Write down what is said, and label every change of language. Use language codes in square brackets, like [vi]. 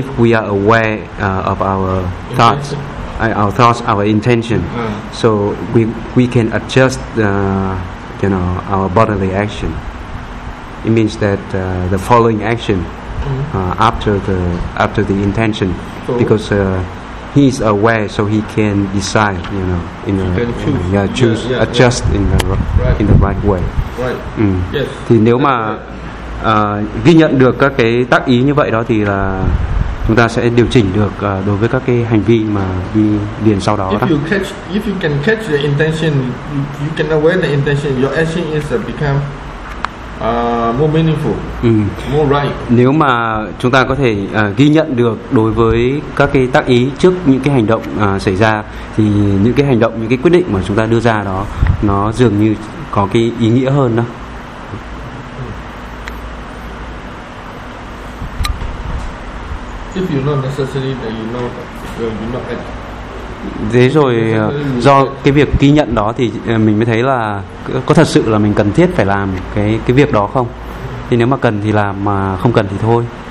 [en] If we are aware of our intention. Thoughts, our thoughts, our intention, so we can adjust, you know, our bodily action. It means that the following action after the intention, so because he is aware, so he can decide, you know, in a, choose, yeah, adjust yeah. In the right way. Right. Mm. Yes. [vi] Thì nếu mà ghi nhận được các cái tác ý như vậy đó thì là chúng ta sẽ điều chỉnh được đối với các cái hành vi mà đi liền sau đó. [en] If you can catch the intention, you can aware the intention, your action is become more meaningful, more right. [vi] Nếu mà chúng ta có thể ghi nhận được đối với các cái tác ý trước những cái hành động xảy ra thì những cái hành động, những cái quyết định mà chúng ta đưa ra đó nó dường như có cái ý nghĩa hơn đó. [en] If you know necessary, then you know that you not act. [vi] Thế rồi do cái việc ghi nhận đó thì mình mới thấy là có thật sự là mình cần thiết phải làm cái việc đó không? Thì nếu mà cần thì làm, mà không cần thì thôi.